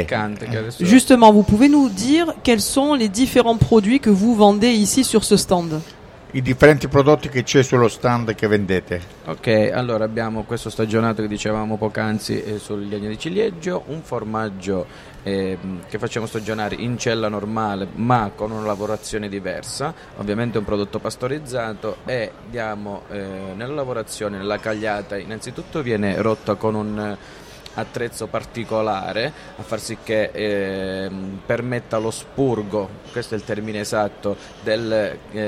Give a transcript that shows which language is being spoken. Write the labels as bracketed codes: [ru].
[it] Piccante, [fr] justement, vous pouvez nous dire quels sont les différents produits que vous vendez ici sur ce stand? [it] I differenti prodotti che c'è sullo stand che vendete. Ok, allora abbiamo questo stagionato che dicevamo poc'anzi sugli agni di ciliegio, un formaggio che facciamo stagionare in cella normale ma con una lavorazione diversa, ovviamente un prodotto pastorizzato e diamo nella lavorazione, nella cagliata, innanzitutto viene rotta con un attrezzo particolare a far sì che permetta lo spurgo, questo è il termine esatto, del